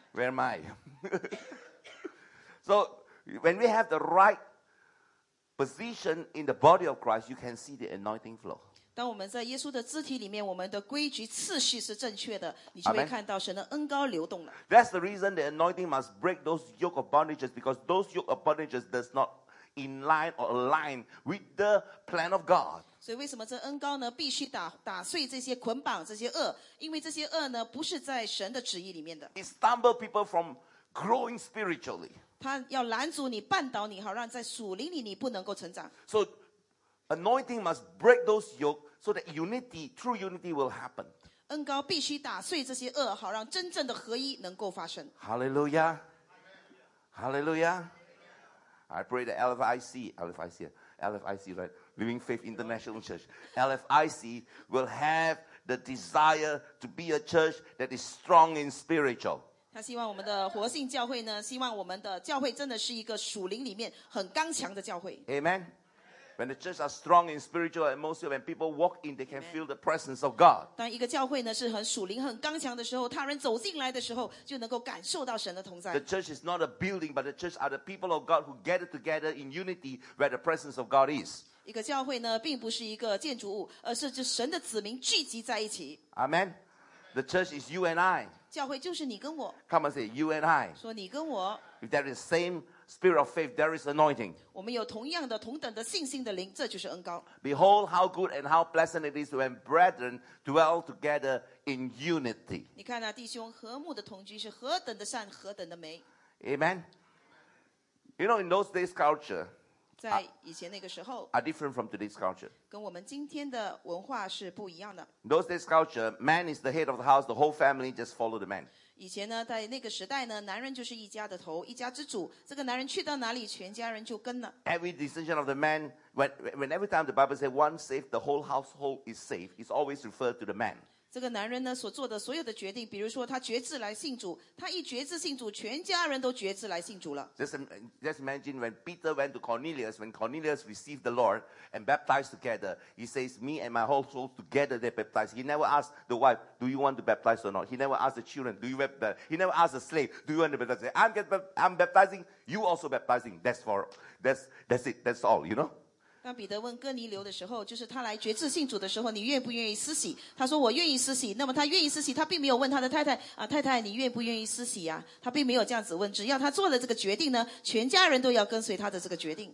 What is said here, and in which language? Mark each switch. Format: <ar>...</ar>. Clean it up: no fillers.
<en>Where am I? So, when we have the right position in the body of Christ, you can see the anointing flow.</en> <zh>当我们在耶稣的肢体里面，我们的规矩次序是正确的，你就会看到神的恩膏流动了。</zh> <en>That's the reason the anointing must break those yoke of bondages, because those yoke of bondages does not in line or align with the plan of God.</en> <zh>所以为什么这恩膏呢，必须 打碎这些捆绑，这些恶，因为这些恶呢，不是在神的旨意里面的。</zh> <en>It stumbles people from growing spiritually.</en> <zh>它要拦阻你，绊倒你，好让在属灵里你不能够成长。</zh> <en>So,Anointing must break those yoke so that unity, true unity will happen.</en> <zh>恩膏必须打碎这些恶，好让真正的合一能够发生。</zh> <en>Hallelujah. Hallelujah. I pray that LFIC, LFIC, LFIC, right? Living Faith International Church. LFIC will have the desire to be a church that is strong in spiritual.</en> <zh>他希望我们的活性教会呢，希望我们的教会真的是一个属灵里面很刚强的教会。</zh> <en>Amen. When the church are strong in spiritual atmosphere, when people walk in, they can feel the presence of God.</en> <zh>当一个教会呢是很属灵、很刚强的时候，他人走进来的时候，就能够感受到神的同在。</zh> <en>The church is not a building, but the church are the people of God who gather together in unity where the presence of God is.</en> <zh>一个教会呢并不是一个建筑物，而是就神的子民聚集在一起。</zh> <en>Amen. The church is you and I.</en> <zh>教会就是你跟我。</zh> <en>Come and say you and I.</en> <zh>说你跟我。</zh> <en>If there is same. Spirit of faith, there is anointing.</en> <zh>我们有同样的、同等的信心的灵，这就是恩膏。</zh> <en>Behold how good and how pleasant it is when brethren dwell together in unity.</en> <zh>你看那弟兄和睦的同居是何等的善、何等的美。</zh> <en>Amen. You know, in those days culture,</en> <zh>在以前那个时候</zh> <en>are different from today's culture.</en> <zh>跟我们今天的文化是不一样的。</zh> <en>In those days culture, man is the head of the house, the whole family just follow the man.</en> <zh>以前呢在那个时代呢男人就是一家的头一家之主这个男人去到哪里全家人就跟了</zh> <en>Every decision of the man when every time the Bible says one safe the whole household is safe it's always referred to the man</en> <zh>这个男人呢所做的所有的决定比如说他决志来信主他一决志信主全家人都决志来信主了</zh> <en>Just imagine when Peter went to Cornelius when Cornelius received the Lord and baptized together he says me and my whole soul together they baptized he never asked the wifeDo you want to baptize or not? He never asked the children, do you baptize? He never asked the slave, do you want to baptize? I'm baptizing, you also baptizing. That's it, that's all, you know?</en> <zh>当彼得问哥尼流的时候，就是他来决志信主的时候，你愿不愿意施洗？他说我愿意施洗。那么他愿意施洗，他并没有问他的太太，啊，太太，你愿不愿意施洗啊？他并没有这样子问，只要他做了这个决定呢，全家人都要跟随他的这个决定。</zh>